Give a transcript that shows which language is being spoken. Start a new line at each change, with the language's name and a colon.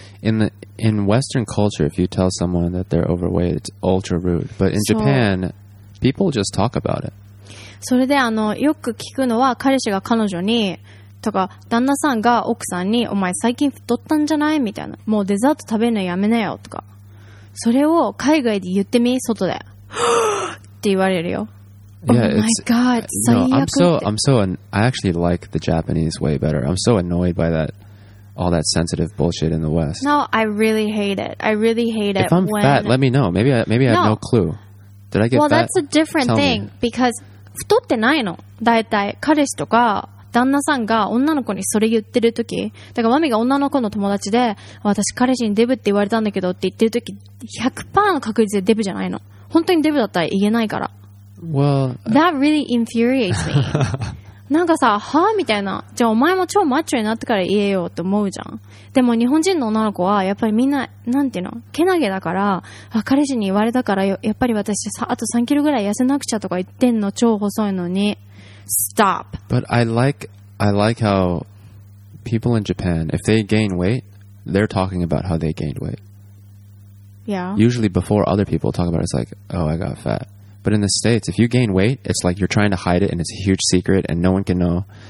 English: In Western culture, if you tell someone that they're overweight, it's ultra rude. But in Japan, people just talk about it.
Japanese: それでよく聞くのは、彼氏が彼女にとか、旦那さんが奥さんに、お前最近太ったんじゃない?みたいな。もうデザート食べるのやめなよとか。それを海外で言ってみ、外で。って言われるよ。
English: Yeah, oh my god, so I actually like the Japanese way better. I'm so annoyed by that, all that sensitive bullshit in the West. No, I really hate it. I really hate it. If I'm fat, let me know. Maybe I have no clue. Did I get well, fat? Well, that's a different thing. Because
Japanese: 太ってないの。だいたい彼氏とか旦那さんが女の子にそれ言ってるとき。だからマミが女の子の友達で、私彼氏にデブって言われたんだけどって言ってるとき、100% の確率でデブじゃないの。本当にデブだったら言えないから。
English: Well, that really infuriates me.
Japanese: なんかさ、はぁみたいな。じゃあお前も超マッチョになってから言えよって思うじゃん。でも日本人の女の子はやっぱりみんな、なんていうの、けなげだから、あ、彼氏に言われたからやっぱり私さ、あと3キロぐらい痩せなくちゃとか言ってんの、超細いのに。
English: Stop! But I like how people in Japan, if they gain weight, they're talking about how they gained weight. Yeah. Usually before other people talk about it, it's like, oh, I got fat. But in the States, if you gain weight, it's like you're trying to hide it and it's a huge secret and no one can know.